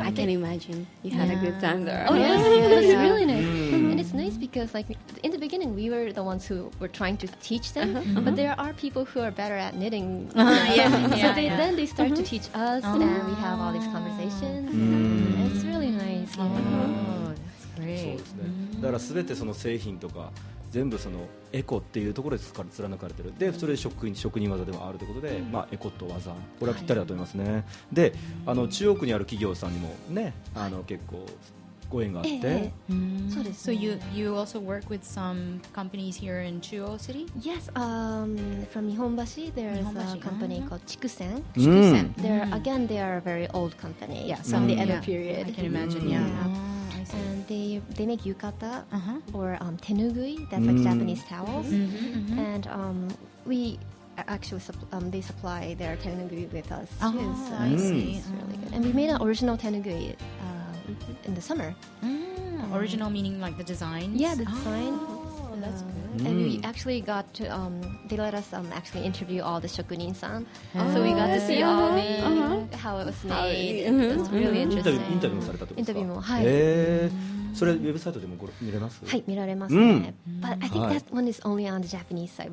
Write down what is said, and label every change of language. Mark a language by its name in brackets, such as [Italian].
[English] I can imagine you had a good time there. Oh, yes. It was really nice. Mm-hmm. And it's nice because, like, in the beginning, we were the ones who were trying to teach them. Uh-huh. Mm-hmm. But there are people who are better at knitting. Then they start to teach us, and we have all these conversations. Mm-hmm. It's really nice. Oh, that's great. [Japanese] だから全てその製品とか全部そのエコっていうところで貫かれてる。で、それで職人技でもあるということで、まあ、エコと技、これはぴったりだと思いますね。で、中央区にある企業さんにもね、結構ご縁があって。そうです。 [English] So you also work with some companies here in Chuo City? Yes, from Nihonbashi, there's a company called Chikusen. Chikusen. They're, again, they are a very old company. Yeah, from the Edo period. I can imagine, yeah. And they make yukata or tenugui, that's like Japanese towels. Mm-hmm, mm-hmm. And we actually they supply their tenugui with us too. Oh, so I see. It's really good. And we made an original tenugui in the summer. Mm. Original meaning like the design? Yeah, the design. Oh, that's good. And we actually got to, they let us actually interview all the shokunin-san. So we got to see all the, how it was made. It was really interesting. [Japanese] インタビューもされたってことですか? インタビューも、はい。それウェブサイトでも見れます? はい、見られますね。 [English] But I think that one is only on the Japanese side.